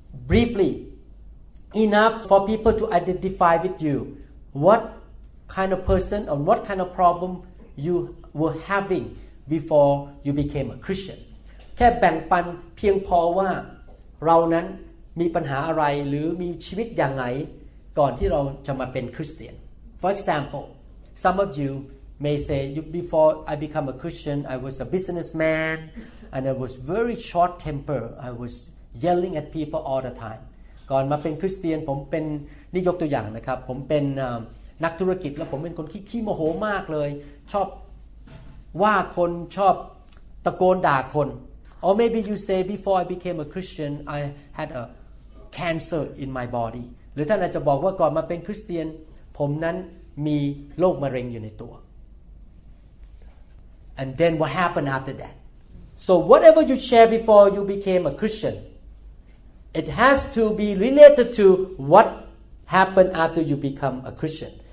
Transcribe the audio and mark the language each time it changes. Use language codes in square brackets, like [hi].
[en] briefly enough for people to identify with you what kind of person or what kind of problem you were having before you became a Christian [th] แค่แบ่งปันเพียงพอว่าเรานั้นมีปัญหาอะไรหรือมีชีวิตอย่างไรก่อนที่เราจะมาเป็นคริสเตียน [en] For example some of you may say you before I become a Christian I was a businessmanAnd I was very short temper. I was yelling at people all the time. [th] ก่อนมาเป็นคริสเตียนผมเป็นนี่ยกตัวอย่างนะครับผมเป็นนักธุรกิจแล้วผมเป็นคนขี้โมโหมากเลยชอบว่าคนชอบตะโกนด่าคน [en] Or maybe you say before I became a Christian, I had a cancer in my body. [th] หรือท่านอาจจะบอกว่าก่อนมาเป็นคริสเตียนผมนั้นมีโรคมะเร็งอยู่ในตัว [en] And then what happened after that? So whatever you share before you became a Christian, it has to be related to what happened after you become a Christian.